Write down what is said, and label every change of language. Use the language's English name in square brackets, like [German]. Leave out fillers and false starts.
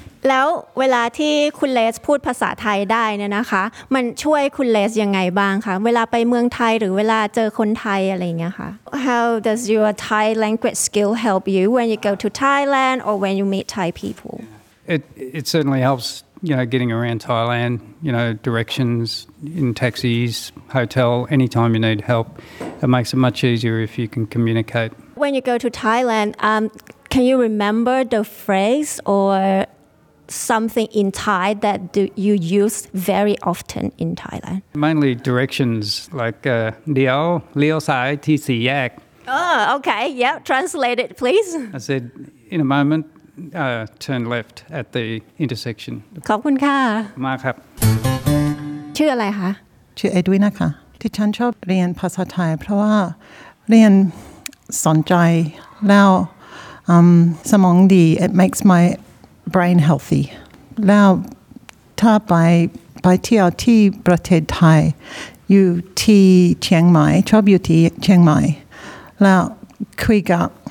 [Thai] แล้วเวลาที่คุณเลสพูดภาษาไทยได้เนี่ยนะคะมันช่วยคุณเลสยังไงบ้างคะเวลาไปเมืองไทยหรือเวลาเจอคนไทยอะไรอย่างเงี้ยคะ [English] How does your Thai language skill help you when you go to Thailand or when you meet Thai people It certainly helps you know, getting around Thailand, you know, directions in taxis, hotel, anytime you need help. It makes it much easier if you can communicate. When you go to Thailand, can you remember the phrase or something in Thai that you use very often in Thailand? Mainly directions, like [Thai] Leo Sai Tisi Yak. [English] Oh, okay. Yeah, translate it, please. I said, in a moment, turn left at the intersection. [Thai] ขอบคุณค่ะ มาครับ ชื่ออะไรคะ ชื่อเอ็ดวินค่ะที่ฉันชอบเรียนภาษาไทยเพราะว่าเรียนสนใจแล้วสมองดี [English] it makes my brain healthy [Thai] แล้วถ้าไปเที่ยวที่ประเทศไทยอยู่ที่เชียงใหม่ชอบอยู่ที่เชียงใหม่แล้วคุยกับ